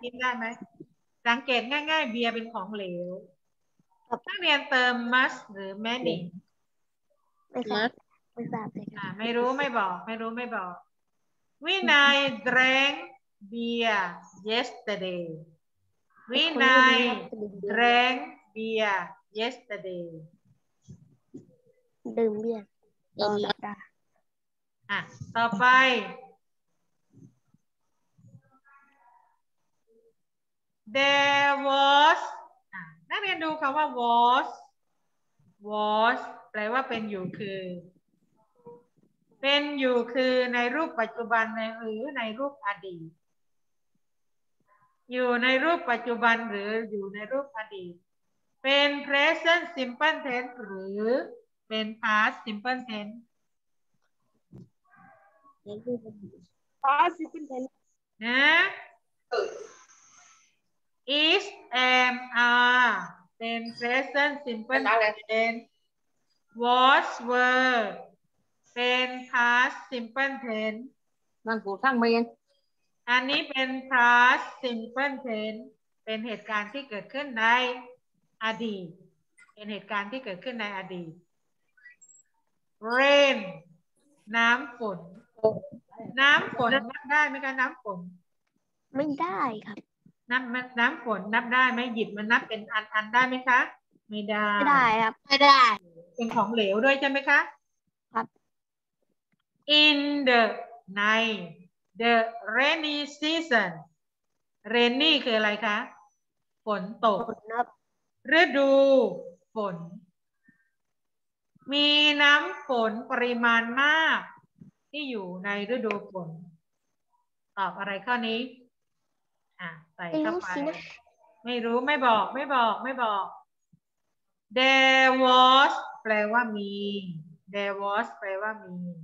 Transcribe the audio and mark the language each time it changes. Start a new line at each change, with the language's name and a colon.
Thai: กินได้ไหมสังเกตง่ายๆเบียร์เป็นของเหลวนักเรียนเติม must หรือ many ไม่ครับ
English: ไม่รู้ไม่บอก Winai drank beer yesterday Winai drank beer yesterday
Thai: ดื่มเบียร์ ยอมรับ อ่ะต่อไป There was นักเรียนดูคำว่า was was แปลว่าเป็นอยู่คือเป็นอยู่คือในรูปปัจจุบันในหรือในรูปอดีตอยู่ในรูปปัจจุบันหรืออยู่ในรูปอดีตเป็น present simple tense หรือเป็น past simple tense
English: past simple tense
Thai: นะIs am are เป็น present simple tense was were เป็น past simple tense นั่งกูสร้างเมียน อันนี้เป็น past simple tense เป็นเหตุการณ์ที่เกิดขึ้นในอดีตเป็นเหตุการณ์ที่เกิดขึ้นในอดีต rain น้ำฝนน้ำฝนนับได้ไหมครับน้ำฝน ไม่ได้ครับ น้ำน้ำฝนนับได้ไหมหยิบมันนับเป็นอันอันได้ไหมคะไม่ได้ ไม่ได้ครับ ไม่ได้เป็นของเหลวด้วยใช่ไหมคะ ครับ
English: in the night the rainy season rainy คืออะไรคะฝนตก
Thai: ฝนนับ ฤดูฝนมีน้ำฝนปริมาณมากที่อยู่ในฤดูฝนตอบอะไรข้อนี้ไม่รู้สินะไม่รู้ไม่บอกไม่บอกไม่บอก there was แปลว่ามี there was แปลว่ามี